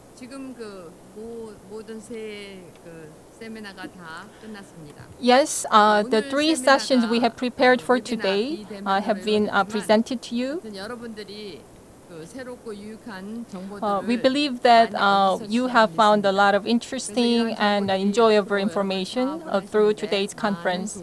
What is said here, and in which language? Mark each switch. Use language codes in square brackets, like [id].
[ko] 지금 그 모든 세 그 세미나가 다 끝났습니다. [en] Yes, the three sessions we have prepared for today have been presented to you. [ko] 여러분들이 그 새롭고 유익한 정보들 [en] We believe that you have found a lot of interesting and enjoyable information through today's conference.